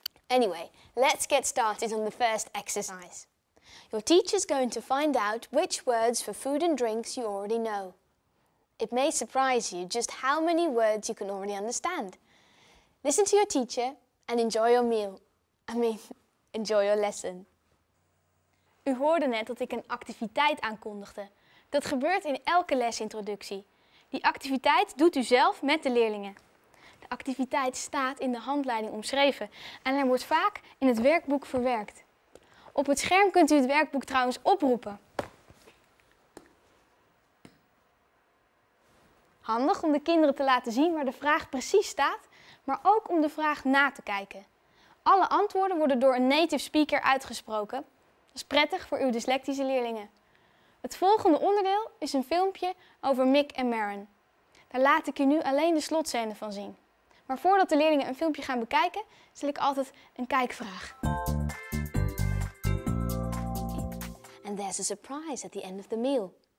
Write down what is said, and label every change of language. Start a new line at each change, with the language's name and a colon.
English: Anyway, let's get started on the first exercise. Your teacher's going to find out which words for food and drinks you already know. It may surprise you just how many words you can already understand. Listen to your teacher and enjoy your meal. I mean, enjoy your lesson.
Dutch: U hoorde net dat ik een activiteit aankondigde. Dat gebeurt in elke lesintroductie. Die activiteit doet u zelf met de leerlingen. De activiteit staat in de handleiding omschreven en er wordt vaak in het werkboek verwerkt. Op het scherm kunt u het werkboek trouwens oproepen. Handig om de kinderen te laten zien waar de vraag precies staat, maar ook om de vraag na te kijken. Alle antwoorden worden door een native speaker uitgesproken. Dat is prettig voor uw dyslectische leerlingen. Het volgende onderdeel is een filmpje over Mick en Maren. Daar laat ik u nu alleen de slotscène van zien. Maar voordat de leerlingen een filmpje gaan bekijken, stel ik altijd een kijkvraag.
English: And there's a surprise at the end of the meal.